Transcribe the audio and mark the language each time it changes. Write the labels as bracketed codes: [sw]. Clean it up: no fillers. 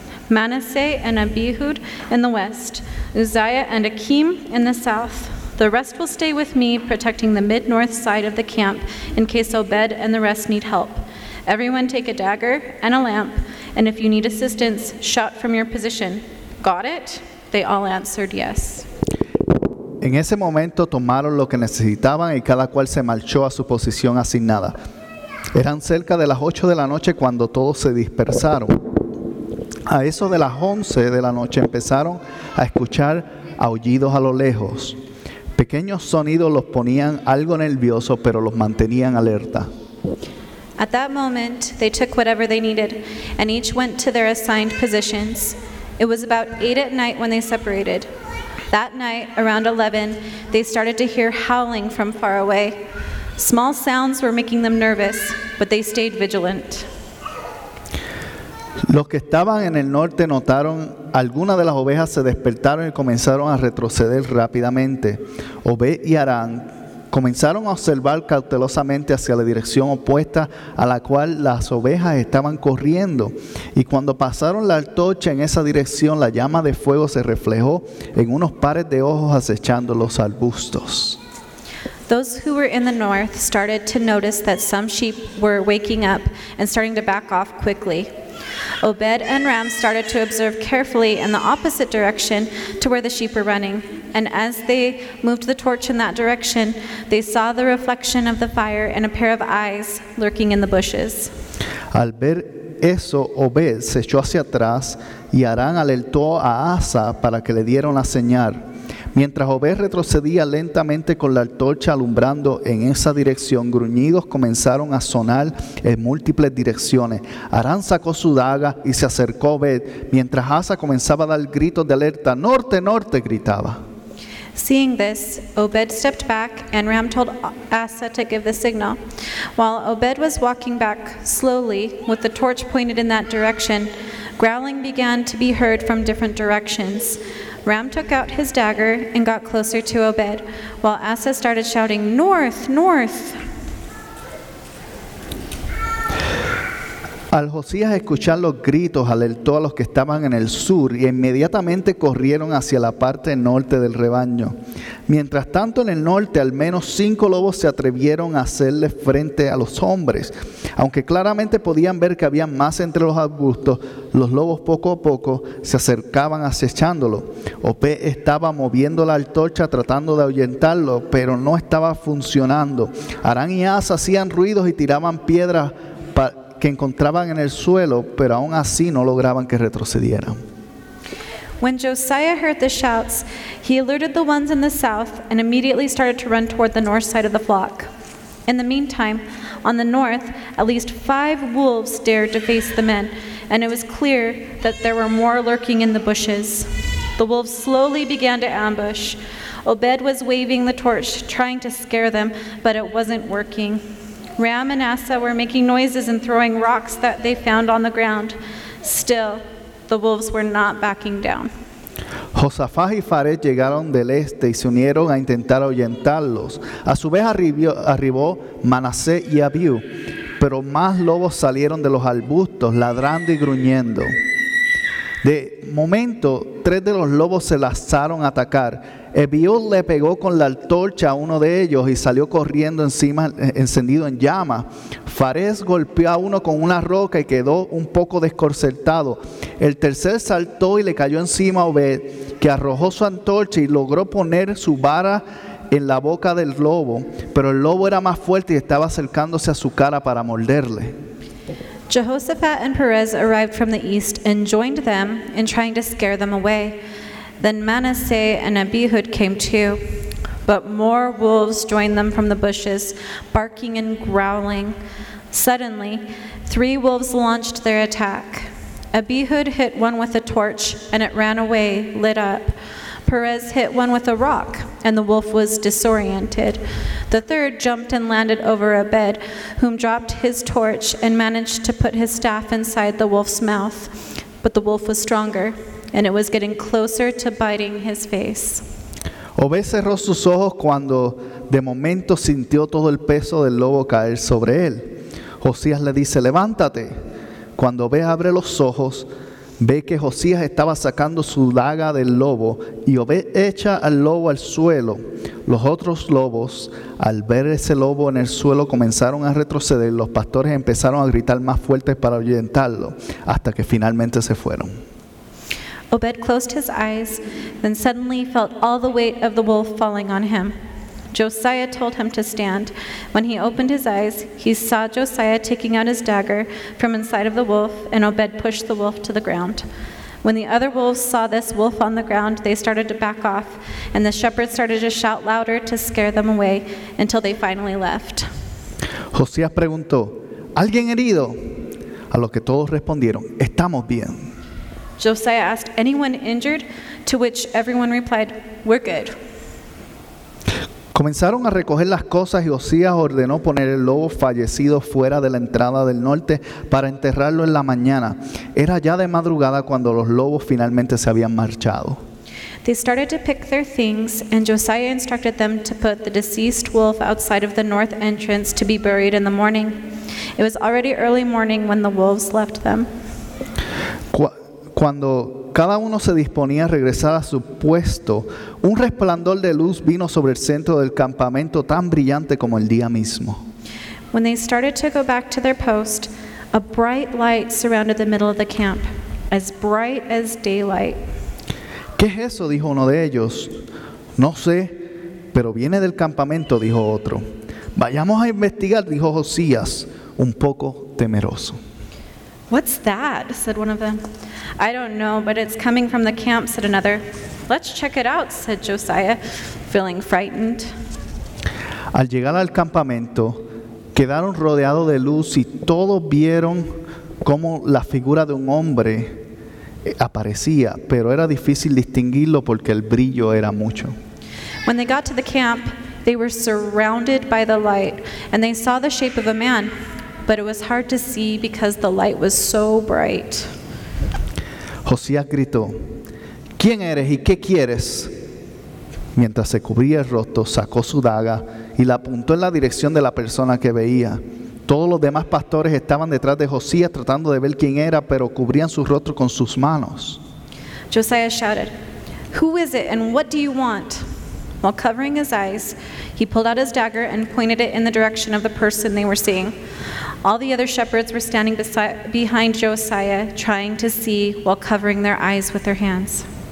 [en] Manasseh and Abihud in the west. Uzziah and Akim in the south. The rest will stay with me, protecting the mid-north side of the camp in case Obed and the rest need help. Everyone take a dagger and a lamp, and if you need assistance, shout from your position. Got it? They all answered yes. [es] En ese momento tomaron lo que necesitaban y cada cual se marchó a su posición asignada. Eran cerca de las 8 de la noche cuando todos se dispersaron. A eso de las 11 de la noche empezaron a escuchar aullidos a lo lejos. Pequeños sonidos los ponían algo nerviosos, pero los mantenían alerta. [en] At that moment, they took whatever they needed and each went to their assigned positions. It was about 8 at night when they separated. That night, around 11, they started to hear howling from far away. Small sounds were making them nervous, but they stayed vigilant. [es] Los que estaban en el norte notaron algunas de las ovejas se despertaron y comenzaron a retroceder rápidamente. Obed y Aram comenzaron a observar cautelosamente hacia la dirección opuesta a la cual las ovejas estaban corriendo. Y cuando pasaron la antorcha en esa dirección, la llama de fuego se reflejó en unos pares de ojos acechando los arbustos. [en] Those who were in the north started to notice that some sheep were waking up and starting to back off quickly. Obed and Ram started to observe carefully in the opposite direction to where the sheep were running. And as they moved the torch in that direction, they saw the reflection of the fire and a pair of eyes lurking in the bushes. [es] Al ver eso, Obed se echó hacia atrás y Aram alertó a Asa para que le diera una señal. Mientras Obed retrocedía lentamente con la antorcha alumbrando en esa dirección, gruñidos comenzaron a sonar en múltiples direcciones. Aram sacó su daga y se acercó a Obed, mientras Asa comenzaba a dar gritos de alerta. ¡Norte, norte! Gritaba. [en] Seeing this, Obed stepped back and Ram told Asa to give the signal. While Obed was walking back slowly with the torch pointed in that direction, growling began to be heard from different directions. Ram took out his dagger and got closer to Obed, while Asa started shouting, North, north! [es] Al Josías escuchar los gritos, alertó a los que estaban en el sur y inmediatamente corrieron hacia la parte norte del rebaño. Mientras tanto, en el norte, al menos 5 lobos se atrevieron a hacerle frente a los hombres. Aunque claramente podían ver que había más entre los arbustos, los lobos poco a poco se acercaban acechándolo. Opé estaba moviendo la antorcha tratando de ahuyentarlo, pero no estaba funcionando. Arán y As hacían ruidos y tiraban piedras que encontraban en el suelo, pero aún así no lograban que retrocedieran. [en] When Josiah heard the shouts, he alerted the ones in the south and immediately started to run toward the north side of the flock. In the meantime, on the north, at least 5 wolves dared to face the men, and it was clear that there were more lurking in the bushes. The wolves slowly began to ambush. Obed was waving the torch, trying to scare them, but it wasn't working. Ram and Asa were making noises and throwing rocks that they found on the ground. Still, the wolves were not backing down. [es] Josafat y Faret llegaron del este y se unieron a intentar ahuyentarlos. A su vez arribó Manasé y Abiú, pero más lobos salieron de los arbustos, ladrando y gruñendo. De momento, 3 de los lobos se lanzaron a atacar. Abiú le pegó con la antorcha a uno de ellos y salió corriendo encima, encendido en llamas. Fares golpeó a uno con una roca y quedó un poco desconcertado. El tercer saltó y le cayó encima a Obed, que arrojó su antorcha y logró poner su vara en la boca del lobo. Pero el lobo era más fuerte y estaba acercándose a su cara para morderle. [en] Jehoshaphat and Perez arrived from the east and joined them in trying to scare them away. Then Manasseh and Abihud came too. But more wolves joined them from the bushes, barking and growling. Suddenly, 3 wolves launched their attack. Abihud hit one with a torch, and it ran away, lit up. Perez hit one with a rock, and the wolf was disoriented. The 3rd jumped and landed over a bed, whom dropped his torch and managed to put his staff inside the wolf's mouth. But the wolf was stronger, and it was getting closer to biting his face. [es] Obed cerró sus ojos cuando de momento sintió todo el peso del lobo caer sobre él. Josías le dice, levántate. Cuando Obed abre los ojos, ve que Josías estaba sacando su daga del lobo y Obed echa al lobo al suelo. Los otros lobos, al ver ese lobo en el suelo, comenzaron a retroceder. Los pastores empezaron a gritar más fuerte para ahuyentarlo hasta que finalmente se fueron. [en] Obed closed his eyes, then suddenly felt all the weight of the wolf falling on him. Josiah told him to stand. When he opened his eyes, he saw Josiah taking out his dagger from inside of the wolf, and Obed pushed the wolf to the ground. When the other wolves saw this wolf on the ground, they started to back off, and the shepherds started to shout louder to scare them away until they finally left. [es] Josiah preguntó, ¿alguien herido? A lo que todos respondieron, estamos bien. [en] Josiah asked, anyone injured? To which everyone replied, we're good. [es] Comenzaron a recoger las cosas y Josías ordenó poner el lobo fallecido fuera de la entrada del norte para enterrarlo en la mañana. Era ya de madrugada cuando los lobos finalmente se habían marchado. [en] They started to pick their things and Josiah instructed them to put the deceased wolf outside of the north entrance to be buried in the morning. It was already early morning when the wolves left them. [es] Cuando cada uno se disponía a regresar a su puesto, un resplandor de luz vino sobre el centro del campamento tan brillante como el día mismo. [en] When they started to go back to their post, a bright light surrounded the middle of the camp, as bright as daylight. [es] ¿Qué es eso? Dijo uno de ellos. No sé, pero viene del campamento, dijo otro. Vayamos a investigar, dijo Josías, un poco temeroso. [en] What's that? Said one of them. I don't know, but it's coming from the camp, said another. Let's check it out, said Josiah, feeling frightened. [es] Al llegar al campamento, quedaron rodeados de luz y todos vieron cómo la figura de un hombre aparecía, pero era difícil distinguirlo porque el brillo era mucho. [en] When they got to the camp, they were surrounded by the light, and they saw the shape of a man. But it was hard to see because the light was so bright. [es] Josías gritó, ¿quién eres y qué quieres? Mientras se cubría el rostro, sacó su daga y la apuntó en la dirección de la persona que veía. Todos los demás pastores estaban detrás de Josías tratando de ver quién era, pero cubrían sus rostros con sus manos. [en] Josiah shouted, "Who is it and what do you want?" While covering his eyes, he pulled out his dagger and pointed it in the direction of the person they were seeing. All the other shepherds were standing behind Josiah, trying to see while covering their eyes with their hands.